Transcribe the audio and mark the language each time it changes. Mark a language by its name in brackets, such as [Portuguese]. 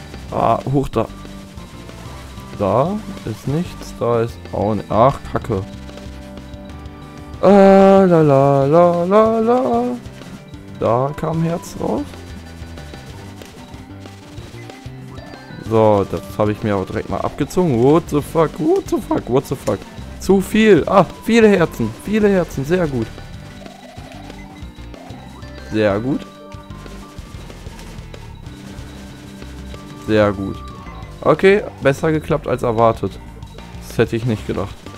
[German] Ah, hoch da. Da ist nichts, da ist auch nichts. Ach, Kacke. Ah, la la la la la. Da kam Herz raus. So, das habe ich mir auch direkt mal abgezogen. [English] What the fuck, what the fuck, what the fuck. [German] Zu viel. Ah, viele Herzen, sehr gut. Sehr gut. Sehr gut. Okay, besser geklappt als erwartet. Das hätte ich nicht gedacht.